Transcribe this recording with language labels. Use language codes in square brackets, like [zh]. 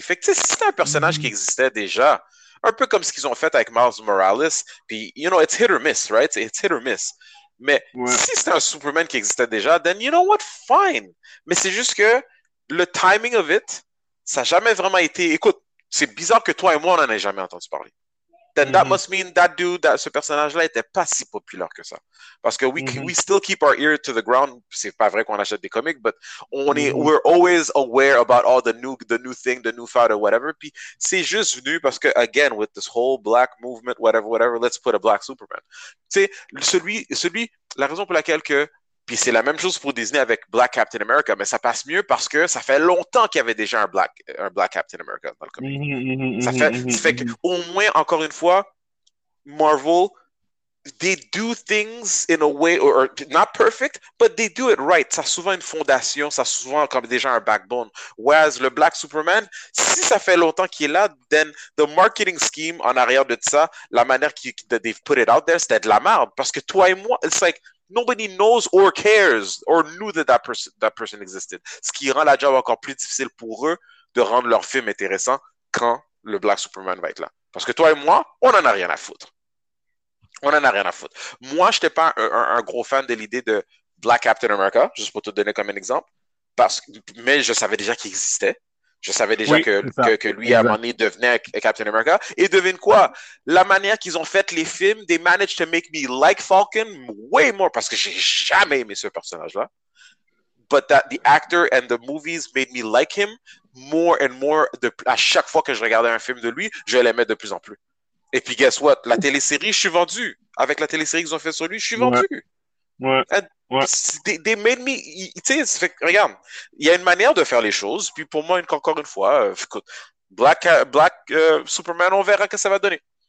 [fr] Fait que c'est un personnage qui existait déjà, un peu comme ce qu'ils ont fait avec Miles Morales, puis, [en] you know, it's hit or miss, right? It's hit or miss. [fr] Mais Ouais. si c'est un Superman qui existait déjà, [en] then you know what? Fine. [fr] Mais c'est juste que le timing [en] of it, [fr] ça n'a jamais vraiment été. Écoute, c'est bizarre que toi et moi, on n'en ait jamais entendu parler. [en] Then that must mean that dude, [fr] ce personnage-là, n'était pas si populaire que ça. Parce que [en] we still keep our ear to the ground. [fr] C'est pas vrai qu'on achète des comics, [en] but we're always aware about all the new fad or whatever. [fr] Puis c'est juste venu parce que, [en] again, with this whole black movement, whatever, whatever, let's put a black Superman. [fr] Tu sais, la raison pour laquelle que. Puis c'est la même chose pour Disney avec Black Captain America, mais ça passe mieux parce que ça fait longtemps qu'il y avait déjà un black Captain America dans le comic. Ça fait qu'au moins, encore une fois, Marvel [en] they do things in a way, or not perfect, but they do it right. [fr] Ça a souvent une fondation, ça a souvent comme déjà un backbone. [en] Whereas [fr] le Black Superman, si ça fait longtemps qu'il est là, [en] then the marketing scheme [fr] en arrière de ça, la manière qu'ils [en] they've put it out there, [fr] c'était de la merde. Parce que toi et moi, [en] it's like, nobody knows or cares or knew that that person existed. [fr] Ce qui rend la job encore plus difficile pour eux de rendre leur film intéressant quand le Black Superman va être là. Parce que toi et moi, on n'en a rien à foutre. On n'en a rien à foutre. Moi, je n'étais pas un gros fan de l'idée de Black Captain America, juste pour te donner comme un exemple, mais je savais déjà qu'il existait. Je savais déjà que lui, à un moment donné, devenait Captain America. Et devine quoi? La manière qu'ils ont fait les films, [en] they managed to make me like Falcon way more, [fr] parce que j'ai jamais aimé ce personnage-là. [en] But that the actor and the movies made me like him more and more. [fr] À chaque fois que je regardais un film de lui, je l'aimais de plus en plus. Et puis, [en] guess what? [fr] La télésérie, je suis vendu. Avec la télésérie qu'ils ont fait sur lui, je suis vendu. [en] They made me... [fr] Tu sais, regarde, il y a une manière de faire les choses. Puis pour moi, encore une fois, écoute, Black Superman, on verra ce que ça va donner.